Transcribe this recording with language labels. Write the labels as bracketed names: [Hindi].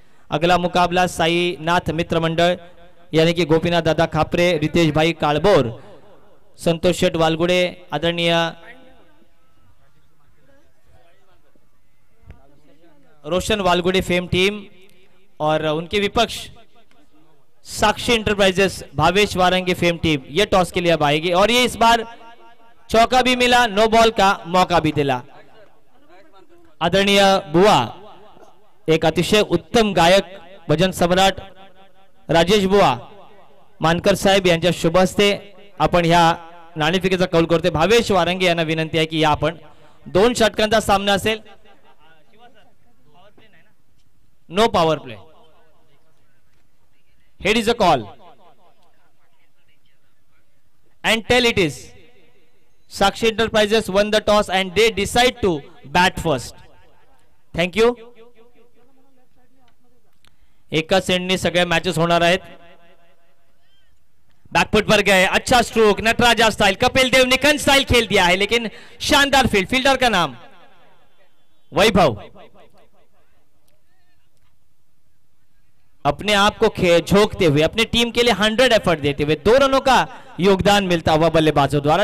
[Hindi] अगला मुकाबला साई नाथ मित्र मंडल यानी कि गोपीनाथ दादा खापरे, रितेश भाई काळबोर, संतोष शेठ वालगुडे आदरणीय, रोशन वालगुडे फेम टीम और उनके विपक्ष साक्षी इंटरप्राइजेस भावेश वारंगे फेम टीम, ये टॉस के लिए अब आएगी और ये इस बार चौका भी मिला, नो बॉल का मौका भी दिला। [Marathi] आदरणीय बुआ एक अतिशय उत्तम गायक भजन सम्राट राजेश बुआ मानकर साहेब यांच्या शुभ हस्ते आपण ह्या नाणेफेकीचा कौल करते। भावेश वारंगे यांना विनंती आहे की या आपण, दोन षटकांचा सामना असेल, [English] No power play, head is a call and tail it is Sakshi enterprises won the toss and they decide to bat first. Thank you. एक सेंडनी सगळे matches होणार आहेत। [Hindi] बॅकफुट वर गए, अच्छा स्ट्रोक, नटराजा स्टाइल, कपिल देव ने कन स्टाइल खेल दिया है, लेकिन शानदार फील्ड, फील्डर का नाम वैभव, अपने आप को झोंकते हुए अपने टीम के लिए 100 एफर्ट देते हुए दो रनों का योगदान मिलता हुआ बल्लेबाजों द्वारा।